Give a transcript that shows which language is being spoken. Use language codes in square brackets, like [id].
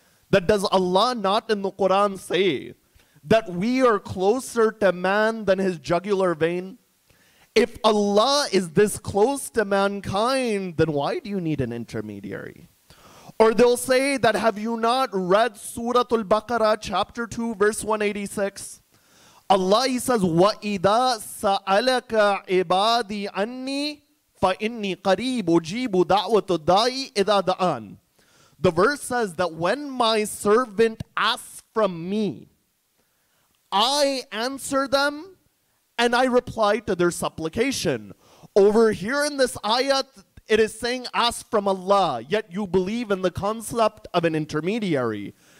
[en] That does Allah not in the Quran say that we are closer to man than his jugular vein? If Allah is this close to mankind, then why do you need an intermediary? Or they'll say that have you not read Surah Al-Baqarah chapter 2 verse 186? Allah, he says, [ar] وَإِذَا سَأَلَكَ عِبَادِي أَنِّي فَإِنِّي قَرِيبُ أُجِيبُ دَعْوَةُ الدَّاعِ إِذَا دَعَانِ. [en] The verse says that when my servant asks from me, I answer them, and I reply to their supplication. Over here in this ayat, it is saying, ask from Allah, yet you believe in the concept of an intermediary.